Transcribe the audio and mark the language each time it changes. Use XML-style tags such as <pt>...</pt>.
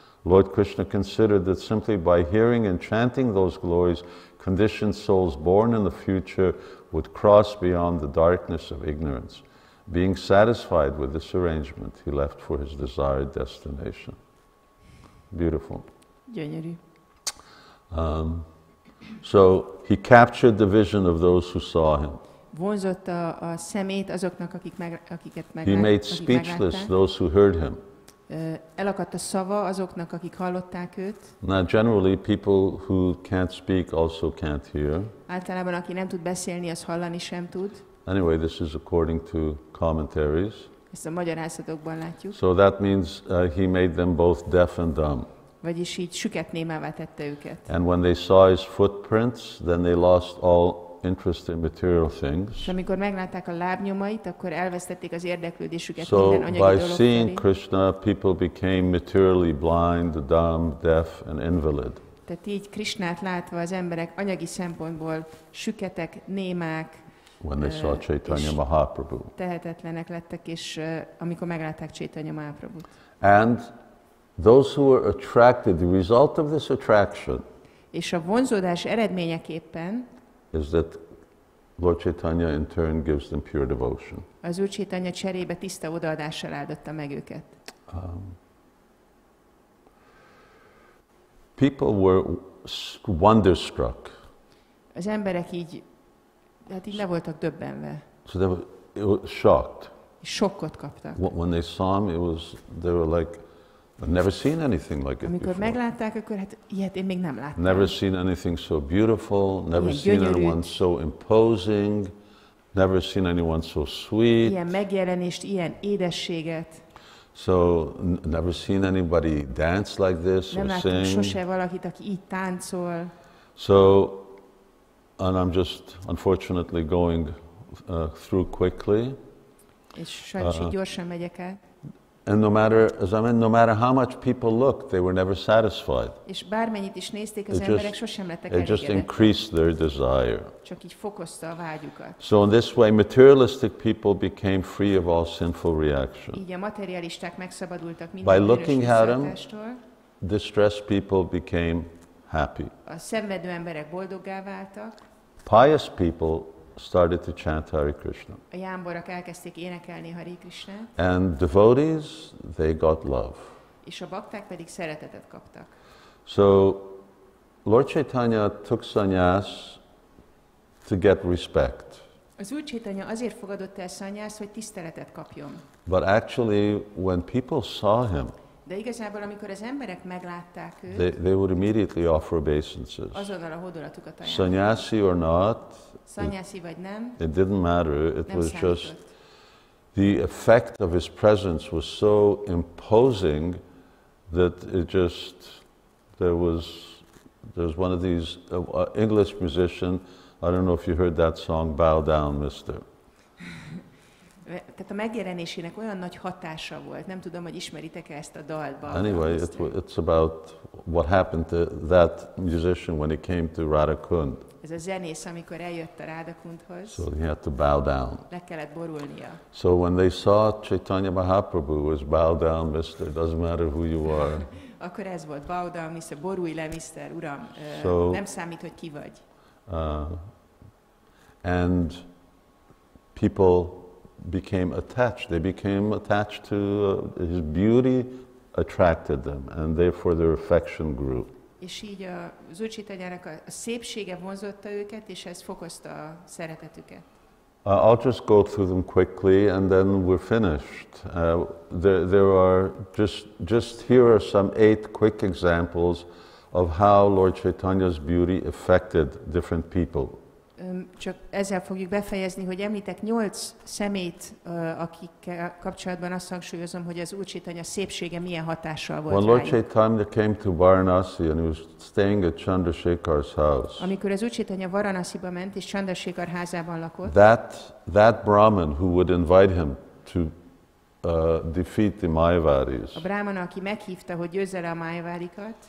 <en>Lord Krishna considered that simply by hearing and chanting those glories, conditioned souls born in the future would cross beyond the darkness of ignorance. Being satisfied with this arrangement, he left for his desired destination. Beautiful.</en> <hu>Gyönyörű.</hu> <en>So he captured the vision of those who saw him.</en> <hu>Vonzott a szemét azoknak, akik meg, akiket meglátták.</hu> <en>He made speechless those who heard him.</en> <hu>Elakadt a szava azoknak, akik hallották őt.</hu> <en>Now generally people who can't speak also can't hear.</en> <hu>Általában aki nem tud beszélni, az hallani sem tud.</hu> <en>Anyway, this is according to commentaries.</en> <hu>Ezt a magyarázatokban látjuk.</hu> <en>So that means he made them both deaf and dumb.</en> <hu>Vagyis így süket némává tette őket.</hu> <en>And when they saw his footprints, then they lost all interest in material things.</en> <hu>És amikor meglátták a lábnyomait, akkor elvesztették az érdeklődésüket minden anyagi dolog felé.</hu> <en>So by seeing Krishna, people became materially blind, dumb, deaf and invalid.</en> <hu>Tehát így Krishnát látva az emberek anyagi szempontból süketek, némák.</hu> <en>When they saw Chaitanya Mahaprabhu.</en> <hu>Tehetetlenek lettek, és amikor meglátták Chaitanya Mahaprabhut.</hu> <en>And those who were attracted, the result of this attraction,</en> <hu>és a vonzódás eredményeképpen,</hu> <en>is that Lord Chaitanya in turn gives them pure devotion.</en> <hu>Az Úr Chaitanya cserébe tiszta odaadással áldotta meg őket.</hu> <en>People were wonderstruck.</en> <hu>Az emberek így, hát így le voltak döbbenve.</hu> <en>So they were shocked.</en> <hu>Sokkot kaptak.</hu> <en>When they saw him, they were like, I've never seen anything like it.</en> <hu>Amikor meglátták, akkor hát ilyet én még nem láttam.</hu> <en>Never seen anything so beautiful, never seen anyone so imposing, never seen anyone so sweet.</en> <hu>Ilyen megjelenést, ilyen édességet.</hu> <en>So never seen anybody dance like this or sing.</en> <hu>Nem láttam sose valakit, aki így táncol.</hu> <en>So, and I'm just unfortunately going through quickly.</en> <hu>És sajnos így gyorsan megyek el.</hu> <en>And no matter how much people looked, they were never satisfied.</en> <hu>És bármennyit is nézték, az emberek sosem lettek elégedettek.</hu> <en>It just increased their desire.</en> <hu>Csak így fokozta a vágyukat.</hu> <en>So in this way, materialistic people became free of all sinful reaction.</en> <hu>Így a materialisták megszabadultak minden</hu> <en>By looking at him, distressed people became happy.</en> <hu>A szenvedő emberek boldoggá váltak.</hu> <en>Pious people started to chant Hare Krishna.</en> <hu>A jámborok elkezdték énekelni Hare Krishna.</hu> <en>And devotees, they got love.</en> <hu>És a bakták pedig szeretetet kaptak.</hu> <en>So Lord Chaitanya took sannyas to get respect.</en> <hu>Az Úr Chaitanya azért fogadott el sannyas, hogy tiszteletet kapjon.</hu> <en>But actually, when people saw him,</en> <hu>de igazából, amikor az emberek meglátták őt,</hu> <en>they would immediately offer obeisances.</en> <hu>Azonnal a hódolatukat ajánlották.</hu> <en>Sanyasi or not,</en> <hu>sanyasi vagy nem,</hu> <en>it didn't matter, it</en> <hu>nem</hu> <en>was</en> <hu>számított.</hu> <en>Just the effect of his presence was so imposing that it just, there's one of these English musician, I don't know if you heard that song, Bow Down, Mister.</en> <hu>Tehát a megjelenésének olyan nagy hatása volt, nem tudom, hogy ismeritek-e ezt a dalt.</hu> <en>Anyway, it's about what happened to that musician when he came to Radhakund.</en> <hu>Ez a zenész, amikor eljött a Radhakundhoz.</hu> <en>So he had to bow down.</en> <hu>Le kellett borulnia.</hu> <en>So when they saw Chaitanya Mahaprabhu was bow down, mister, doesn't matter who you are.</en> <hu>Akkor ez volt,</hu> <en>bow down, mister,</en> <hu>borulj le, mister, uram,</hu> <en>so,</en> <hu>nem számít, hogy ki vagy.</hu> <en>And people became attached. They became attached to his beauty, attracted them, and therefore their affection grew.</en> <hu>És így az Úr Chaitanyának a szépsége vonzotta őket, és ez fokozta a szeretetüket.</hu> <en>I'll just go through them quickly, and then we're finished. There are just here are some 8 quick examples of how Lord Chaitanya's beauty affected different people.</en> <hu>Csak ezzel fogjuk befejezni, hogy említek 8 szemét, akikkel kapcsolatban azt hangsúlyozom, hogy az Úr Csaitanya szépsége milyen hatással volt rájuk.</hu> <en>When Lord Chaitanya came to Varanasi and he was staying at Chandrasekhar's house.</en> <hu>Amikor az Úr Csaitanya Varanasiba ment és Chandrasekhar házában lakott.</hu> <en>That Brahman who would invite him to defeat the Mayavadis.</en> <hu>A Brahmana, aki meghívta, hogy győzze le a Mayavadikat.</hu>